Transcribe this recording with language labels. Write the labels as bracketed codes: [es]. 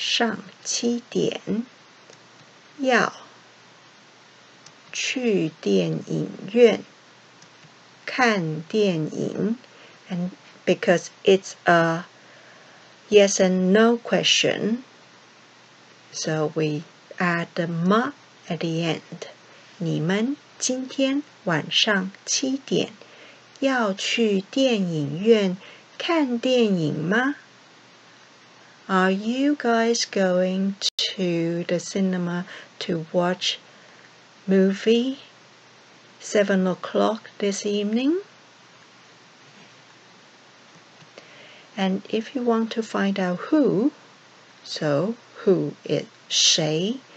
[zh] 今天晚上七点 要去电影院 看电影. [en] And because it's a yes and no question, so we add the ma at the end. [zh] 你们今天晚上七点要去电影院看电影吗? [en] Are you guys going to the cinema to watch movie 7 o'clock this evening? And if you want to find out who, so who is 谁?